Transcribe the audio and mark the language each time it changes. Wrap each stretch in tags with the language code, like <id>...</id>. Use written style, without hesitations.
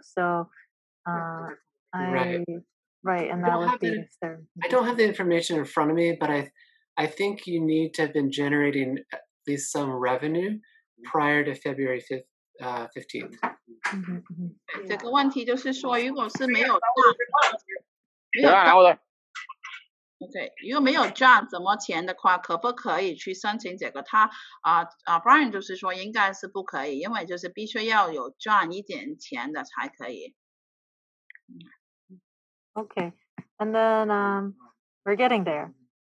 <en>So, right, and that would be I don't have the information in front of me, but I think you need to have been generating at least some revenue prior to February 5th. 15th.</en> <zh>这个问题就是说，如果是没有赚，如果没有赚什么钱的话，可不可以去申请这个？他Brian 就是说应该是不可以，因为就是必须要有赚一点钱的才可以。</zh> <en>Okay, and then we're getting there.</en>